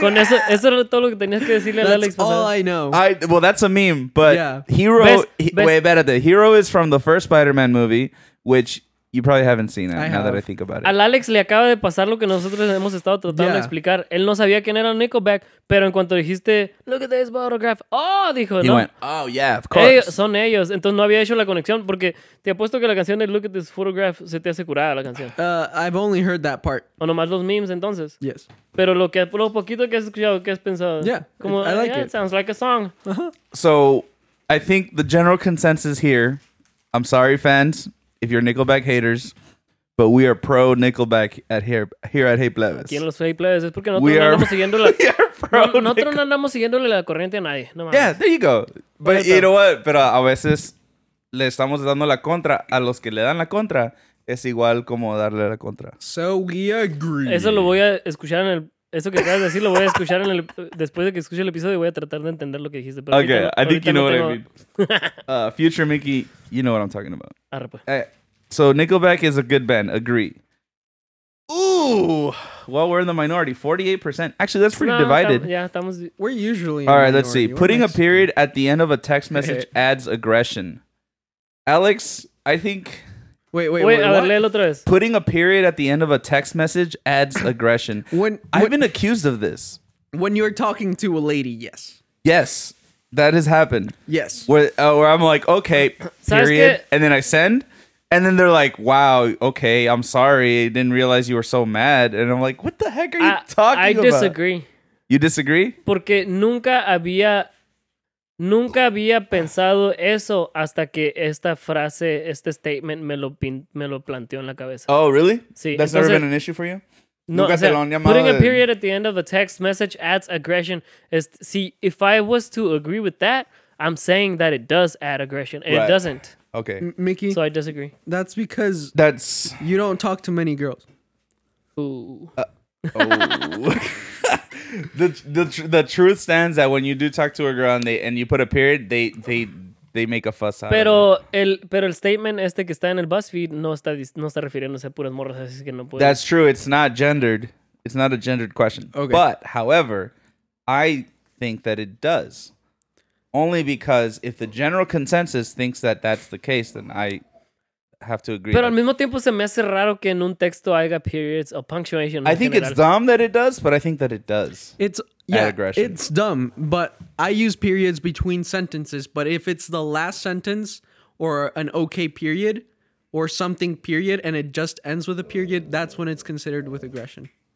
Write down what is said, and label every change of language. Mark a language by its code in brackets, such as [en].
[es] Con eso, eso era todo lo que tenías que decirle a Alex. [en] That's all I know. Well, that's a meme, but yeah. Hero... Hero is from the first Spider-Man movie, which you probably haven't seen it, now that I think about it. [es] Al Alex le acaba de pasar lo que nosotros hemos estado tratando de explicar. Él no sabía quién era Nickelback, pero en cuanto dijiste, [en] look at this photograph, [es] oh, dijo, [en] he [es] ¿no? [en] went, oh, yeah, of course. [es] Ellos, son ellos. Entonces no había hecho la conexión, porque te apuesto que la canción de [en] look at this photograph [es] se te hace curada la canción. [en] I've only heard that part. [es] O nomás los memes, entonces. [en] Yes. [es] Pero lo que lo poquito que has escuchado, ¿qué has pensado? [en] Yeah, [es] como, [en] I like it. Sounds like a song. So, I think the general consensus here, I'm sorry, fans, if you're Nickelback haters, but we are pro Nickelback at here at Hey Plebes. [es] ¿Quién los Hey Plebes? Es porque nosotros no andamos siguiendo la nosotros no andamos siguiéndole la corriente a nadie, no más. [en] Yeah, there you go. But you know what? [es] Pero a veces le estamos dando la contra a los que le dan la contra, es igual como darle la contra. [en] So we agree. [es] Eso lo voy a escuchar en el eso que acabas de decir lo voy a escuchar en el después de que escuche el episodio voy a tratar de entender lo que dijiste. Pero okay, ahorita, [en] I think you know what I mean. Future Mickey, you know what I'm talking about. [es] Arre, pues. [en] So Nickelback is a good band. Agree. Ooh, well we're in the minority. 48%. Actually, that's pretty divided. We're usually. All right, let's see. Putting a period at the end of a text message adds aggression. Alex, I think. Wait, [es] léelo otra vez. [en] Putting a period at the end of a text message adds aggression. I've been accused of this. When you're talking to a lady, yes. Yes, that has happened. Yes. Where I'm like, okay, period, and then I send, and then they're like, wow, okay, I'm sorry, I didn't realize you were so mad, and I'm like, what the heck are you talking about? I disagree. About? You disagree? [es] Porque nunca había pensado eso hasta que esta frase, este statement me lo planteó en la cabeza. [en] Oh, really? [es] Sí. [en] That's never been an issue for you? [es] No, nunca, o sea, te lo han llamado. [en] Putting a period at the end of a text message adds aggression. See, if I was to agree with that, I'm saying that it does add aggression. Right. It doesn't. Okay. Mickey. So I disagree. That's because that's you don't talk to many girls. Ooh. The truth stands that when you do talk to a girl and you put a period, they make a fuss out of it. [es] Pero el statement este que está en el BuzzFeed no está refiriéndose a puras morras, así que no puede. [en] That's true. It's not gendered. It's not a gendered question. Okay. But, however, I think that it does. Only because if the general consensus thinks that that's the case, then I have to agree. [es] Pero al mismo tiempo se me hace raro que en un texto haya periods o punctuation. [en] I think it's dumb that it does, but I think that it does. It's it's dumb, but I use periods between sentences, but if it's the last sentence or an okay period or something period and it just ends with a period, that's when it's considered with aggression.